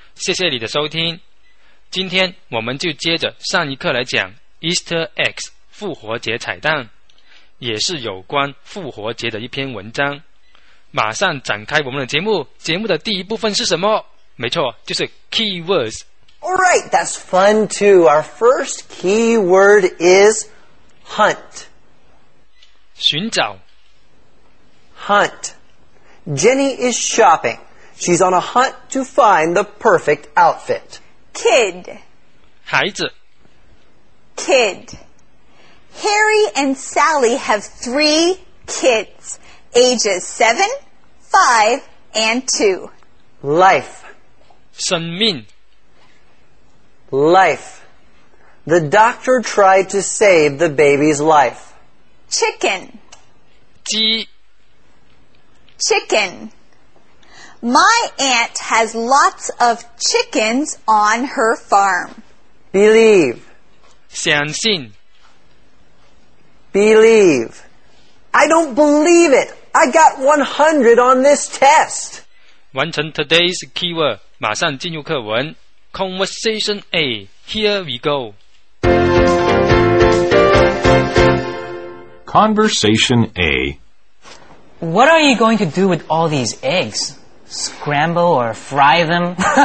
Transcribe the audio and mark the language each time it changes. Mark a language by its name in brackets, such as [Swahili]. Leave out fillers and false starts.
[Chinese] 谢谢你的收听。今天我们就接着上一课来讲 Easter Eggs 复活节彩蛋，也是有关复活节的一篇文章。马上展开我们的节目。节目的第一部分是什么？没错，就是 keywords。 [English] All right, that's fun too. Our first keyword is hunt. [Chinese] 寻找。 [English] Hunt. Jenny is shopping. She's on a hunt to find the perfect outfit. Kid. [Chinese] 孩子。 [English] Kid. Harry and Sally have three kids, ages 7, 5, and 2. Life. [Chinese] 生命。 [English] Life. The doctor tried to save the baby's life. Chicken. [Chinese] 鸡 [English] Chicken. My aunt has lots of chickens on her farm. Believe. [Chinese] 相信 [English] Believe. I don't believe it. I got 100 on this test. [Chinese] 完成 [English] today's keyword, [Chinese] 马上进入课文。 [English] Conversation A, here we go. Conversation A. What are you going to do with all these eggs? Scramble or fry them?